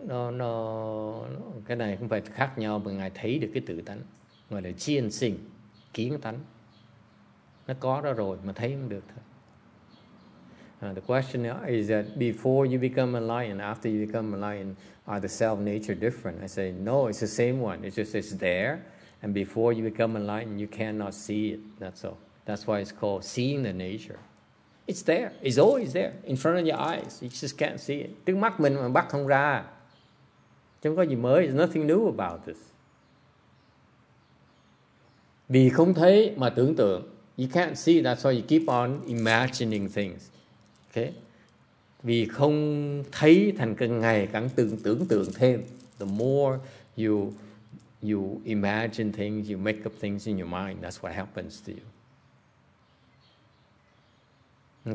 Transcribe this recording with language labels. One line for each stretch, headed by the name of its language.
Vietnamese: Nó cái này không phải khác nhau, mà ngài thấy được cái tự tánh gọi là chiên sinh kiến tánh, nó có đó rồi mà thấy không được thôi.
English: The question is that before you become enlightened, after you become enlightened, are the self nature different? I say no, it's the same one. It's just it's there, and before you become enlightened, you cannot see it. That's all. That's why it's called seeing the nature. It's there. It's always there in front of your eyes. You just can't see it.
Vietnamese: Trước mắt mình mà bắt không ra. Chẳng có gì mới,
English: there's nothing new about this.
Vietnamese: Vì không thấy mà tưởng tượng.
English: You can't see, that's why you keep on imagining things. Okay?
Vietnamese: Vì không thấy thành cái ngày càng tưởng tượng thêm.
English: The more you imagine things, you make up things in your mind, that's what happens to you.